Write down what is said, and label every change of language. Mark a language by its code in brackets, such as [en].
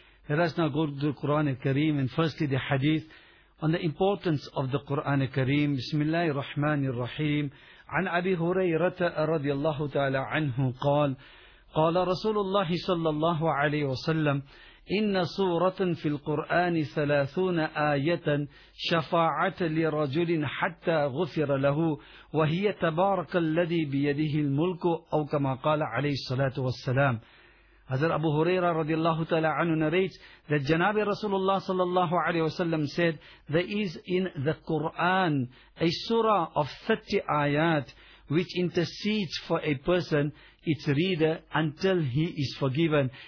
[en] Let us now go to the Quran al-Kareem and firstly the hadith on the importance of the Quran al-Kareem. [ar] Bismillah ar-Rahman ar-Rahim. عن أبي هريرة رضي الله تعالى عنه قال قال رسول الله صلى الله عليه وسلم إن سورة في القرآن 30 آية شفاعة لرجل حتى غفر له وهي تبارك الذي بيده الملك أو كما قال عليه الصلاة والسلام. [en] Hazrat Abu Huraira radiallahu ta'ala anhu narrates that Janabi Rasulullah sallallahu alayhi wa sallam said, there is in the Quran a surah of 30 ayat which intercedes for a person, its reader, until he is forgiven.